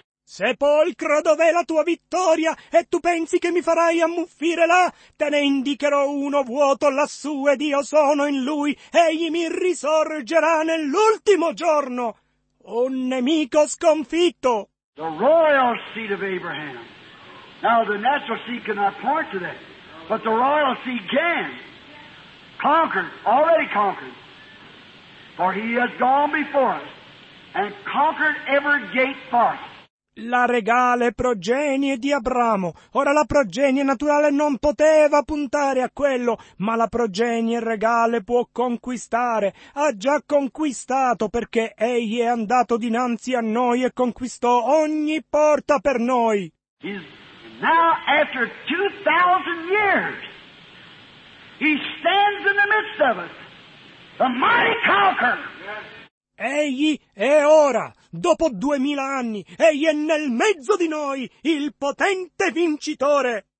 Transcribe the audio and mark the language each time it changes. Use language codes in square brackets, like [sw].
[it] Sepolcro, dov'è la tua vittoria? E tu pensi che mi farai ammuffire là? Te ne indicherò uno vuoto lassù ed io sono in lui. Egli mi risorgerà nell'ultimo giorno. Un nemico sconfitto. [en] The royal seed of Abraham. Now the natural seed cannot point to that. But the royal seed can. Conquered, already conquered. For he has gone before us and conquered every gate for us. [it] La regale progenie di Abramo. Ora la progenie naturale non poteva puntare a quello, ma la progenie regale può conquistare. Ha già conquistato perché egli è andato dinanzi a noi e conquistò ogni porta per noi. [en] He's now after 2,000 years, he stands in the midst of us, the mighty conqueror. [it] Egli è ora, dopo 2,000 anni, egli è nel mezzo di noi, il potente vincitore.